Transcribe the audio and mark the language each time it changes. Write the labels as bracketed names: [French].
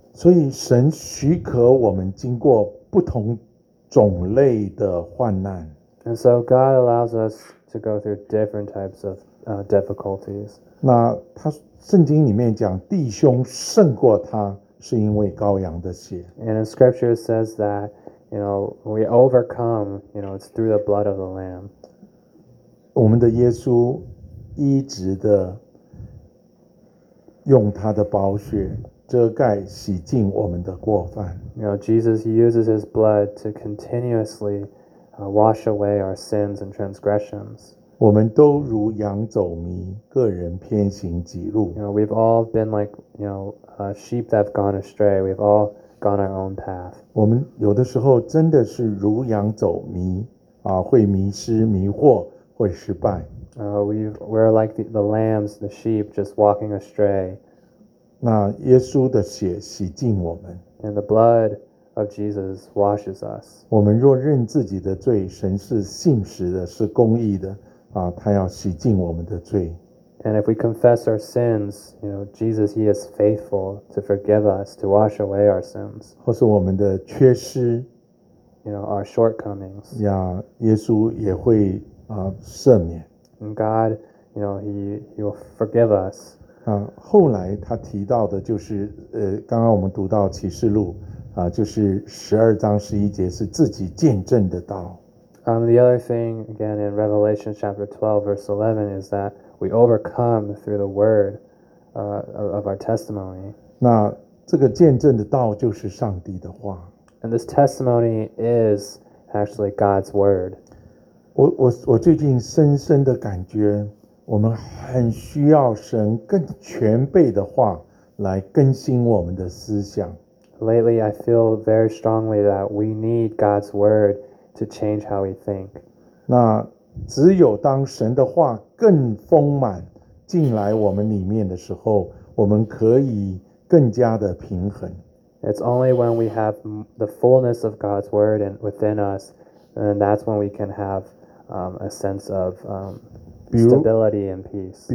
[Chinese] 所以神许可我们经过不同种类的患难。 [English] And so God allows us to go through different types of difficulties. [Chinese] 那他圣经里面讲弟兄胜过他是因为羔羊的血。 [English] And the scripture says that, you know, we overcome, you know, it's through the blood of the Lamb. [Chinese] 我们的耶稣一直的用他的宝血遮盖洗净我们的过犯。 [English] You know, Jesus uses his blood to continuously wash away our sins and transgressions. [Chinese] 我们都如羊走迷，个人偏行己路。 [English] You know, we've all been like, you know, sheep that have gone astray. We've all gone our own path. [Chinese] 我们有的时候真的是如羊走迷，会迷失、迷惑，会失败。 [English] We're like the lambs, the sheep, just walking astray. [Chinese] 那耶稣的血洗净我们。 [English] And the blood of Jesus washes us. [Chinese] 我们若认自己的罪，神是信实的，是公义的。他要洗净我们的罪。 [English] And if we confess our sins, you know, Jesus, he is faithful to forgive us, to wash away our sins. [Chinese] 或是我们的缺失。 [English] You know, our shortcomings. [Chinese] 耶稣也会赦免。 [English] And God, you know, he will forgive us. [Chinese] 后来他提到的就是刚刚我们读到启示录就是12章11节是自己见证的道。 [English] The other thing, again, in Revelation chapter 12, verse 11, is that we overcome through the word of our testimony. [Chinese] 那这个见证的道就是上帝的话。 [English] And this testimony is actually God's word. [Chinese] 我最近深深的感觉我们很需要神更全备的话来更新我们的思想。 [English] Lately, I feel very strongly that we need God's word. To change how we think. [Chinese] 那只有当神的话更丰满进来我们里面的时候，我们可以更加的平衡。 [English] It's only when we have the fullness of God's word and within us, and that's when we can have a sense of stability and peace.